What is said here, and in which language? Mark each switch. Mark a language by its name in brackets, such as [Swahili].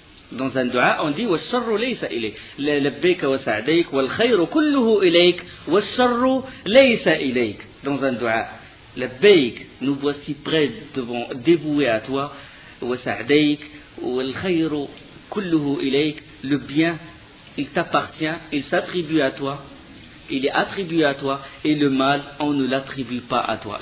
[French] Dans un dua, on dit [Arabic] والشر ليس إليك. لبيك وسعديك والخير كله إليك والشر ليس إليك. [French] Dans un dua, [Arabic] لبيك, [French] nous voici prêts devant, dévoués à toi, [Arabic] وسعديك والخير كله إليك. [French] Le bien, il t'appartient, il s'attribue à toi, il est attribué à toi, et le mal, on ne l'attribue pas à toi.